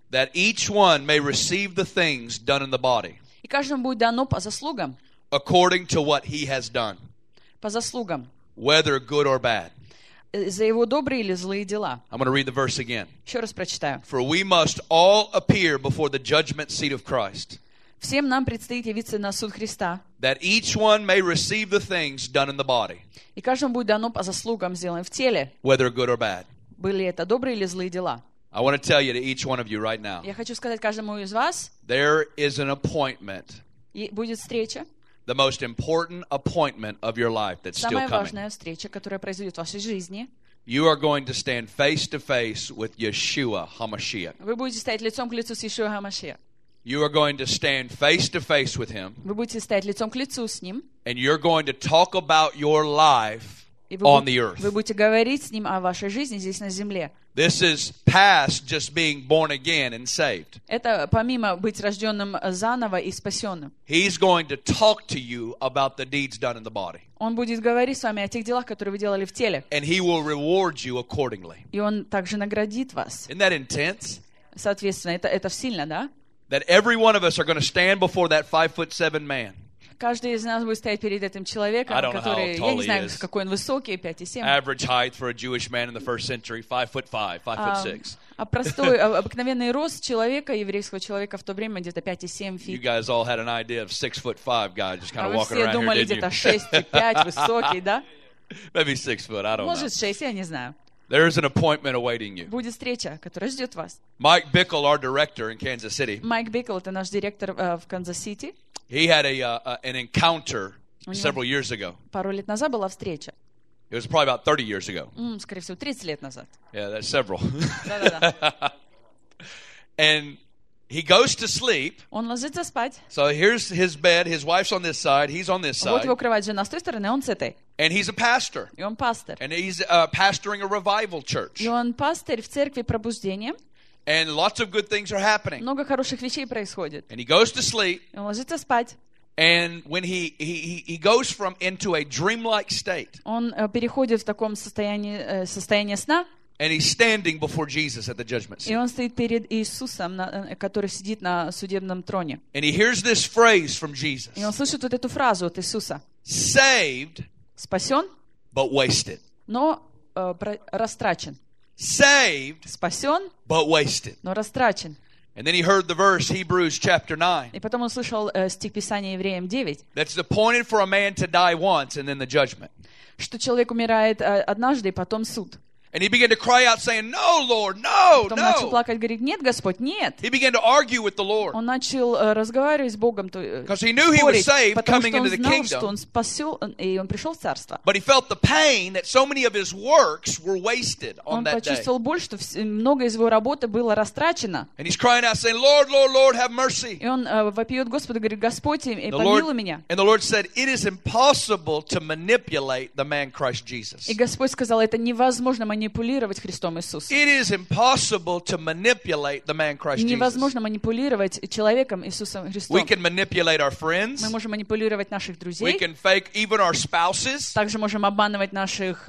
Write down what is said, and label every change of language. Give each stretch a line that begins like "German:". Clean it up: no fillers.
English: That each one may receive the things done in the body.
Russian: И каждому будет дано по заслугам.
English: According to what he has done.
Russian: По заслугам.
English: Whether good or bad.
Russian: За его добрые или злые дела.
English: I'm going to read the verse again.
Russian: Еще раз прочитаю.
English: For we must all appear before the judgment seat of Christ.
Russian: Всем нам предстоит явиться на суд Христа.
English: That each one may receive the things done in the body.
Russian: И каждому будет дано по заслугам, сделанным в теле.
English: Whether good or bad.
Russian: Были это добрые или злые дела.
English: I want to tell you to each one of you right now.
Russian: Я хочу сказать каждому из вас.
English: There is an appointment.
Russian: И будет встреча.
English: The most important appointment of your life that's
Russian: Самая
English: still coming.
Russian: Самая важная встреча, которая произойдет в вашей жизни.
English: You are going to stand face to face with Yeshua HaMashiach.
Russian: Вы будете стоять лицом к лицу с Иешуа ХаМашиах.
English: You are going to stand face to face with Him.
Russian: Вы будете стоять лицом к лицу с Ним.
English: And you're going to talk about your life. on the earth.
Russian: Вы будете говорить с ним о вашей жизни здесь на земле.
English: This is past just being born again and saved.
Russian: Это помимо быть рождённым заново и спасённым.
English: He's going to talk to you about the deeds done in the body.
Russian: Он будет говорить с вами о тех делах, которые вы делали в теле.
English: And he will reward you accordingly.
Russian: И он также наградит вас.
English: Isn't that intense?
Russian: Соответственно, это сильно, да?
English: That every one of us are going to stand before that 5'7" man.
Russian: Каждый из нас будет стоять перед этим человеком, который, я не знаю, какой он высокий, 5'7".
English: Average height for a Jewish man in the first century, 5'5", 5'6".
Russian: А простой, обыкновенный рост человека, еврейского человека в то время где-то 5'7" feet.
English: You guys all had an idea of 6'5" guy just kind of walking around here, didn't you?
Russian: Все думали где-то 6'5", высокий, да?
English: Maybe 6 foot, I don't know.
Russian: Может, 6, я не знаю.
English: There is an appointment awaiting you.
Russian: Будет встреча, которая ждет вас.
English: Mike Bickle, our director in Kansas City.
Russian: Mike Bickle, это наш директор в Канзас-Сити.
English: He had an encounter several years ago.
Russian: Пару лет назад была встреча.
English: It was probably about 30 years ago.
Russian: Скорее всего, 30 лет назад.
English: Yeah, that's several.
Russian: Да-да-да.
English: And he goes to sleep.
Russian: Он ложится спать.
English: So here's his bed. His wife's on this side. He's on this side.
Russian: Вот его кровать, жена с той стороны, он с этой.
English: And he's a pastor.
Russian: И он пастор.
English: And he's pastoring a revival church.
Russian: И он пастор в церкви пробуждения.
English: And lots of good things are happening.
Russian: Много хороших вещей происходит.
English: And he goes to sleep.
Russian: И он ложится спать.
English: And when he goes from into a dreamlike state.
Russian: Он переходит в таком состоянии сна.
English: And he's standing before Jesus at the judgment seat.
Russian: И он стоит перед Иисусом, который сидит на судебном троне.
English: And he hears this phrase from Jesus.
Russian: И он слышит вот эту фразу от Иисуса.
English: Saved.
Russian: Спасен.
English: But wasted.
Russian: Но растрачен.
English: Saved.
Russian: Спасен.
English: But wasted.
Russian: Но растрачен.
English: And then he heard the verse Hebrews chapter 9.
Russian: И потом он слышал стих Писания Евреям 9.
English: That's appointed for a man to die once and then the judgment.
Russian: Что человек умирает однажды, потом суд.
English: And he began to cry out, saying, "No, Lord, no, no!"
Russian: Потом начал плакать, говорит, нет, Господь, нет.
English: He began to argue with the Lord.
Russian: Он начал разговаривать с Богом, то
English: because he knew he was saved, coming into the kingdom.
Russian: Потому что он знал, что он спасен, и он пришел в царство.
English: But he felt the pain that so many of his works were wasted on that day.
Russian: Он почувствовал боль, что много из его работы было растрачено.
English: And he's crying out, saying, "Lord, Lord, Lord, have mercy!"
Russian: И он вопиет Господу, говорит, Господи, помилуй меня.
English: And the Lord said, "It is impossible to manipulate the man Christ Jesus."
Russian: И Господь сказал, это невозможно манипулировать Христом Иисусом. Невозможно манипулировать человеком Иисусом Христом.
English: We can manipulate our friends.
Russian: Мы можем манипулировать наших друзей.
English: We can fake even our spouses.
Russian: Также можем обманывать наших